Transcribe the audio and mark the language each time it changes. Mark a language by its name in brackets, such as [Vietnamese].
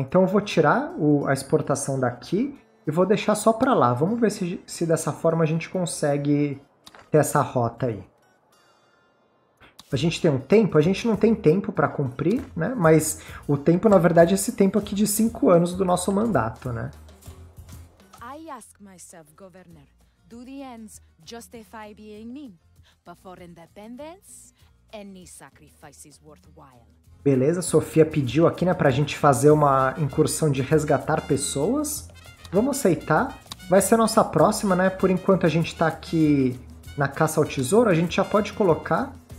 [Portuguese] Então eu vou tirar a exportação daqui e vou deixar só para lá. Vamos ver se dessa forma a gente consegue ter essa rota aí. A gente tem um tempo? A gente não tem tempo para cumprir, né? Mas o tempo, na verdade, é esse tempo aqui de 5 anos do nosso mandato, né? [English] I ask myself, governor, do the ends justify being mean? Before independence, any sacrifice is worthwhile. [Portuguese] Beleza, Sofia pediu aqui, né, pra gente fazer uma incursão de resgatar pessoas. Vamos aceitar. Vai ser a nossa próxima, né? Por enquanto a gente tá aqui na caça ao tesouro, a gente já pode colocar...